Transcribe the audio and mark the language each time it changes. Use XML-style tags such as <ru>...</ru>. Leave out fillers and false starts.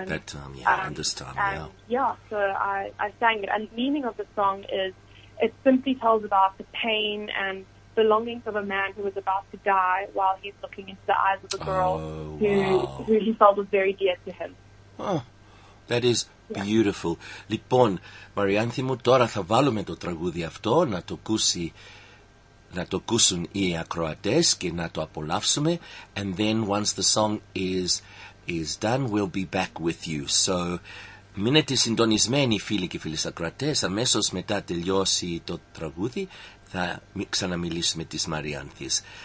<en>At that time, yeah, at this time, and yeah. Yeah, so I sang it. And the meaning of the song is, it simply tells about the pain and the longings of a man who was about to die while he's looking into the eyes of a girl who he felt was very dear to him. Oh, that is beautiful. Yeah.</en> <el>Λοιπόν, Marianthe μου, τώρα θα βάλουμε το τραγούδι αυτό να το ακούσει. Να το ακούσουν οι ακροατές και να το απολαύσουμε.</el> <en>And then once the song is done, we'll be back with you.</en> <el>So, μείνετε συντονισμένοι φίλοι και φίλες ακροατές. Αμέσως μετά τελειώσει το τραγούδι, θα ξαναμιλήσουμε της Marianthes.</el>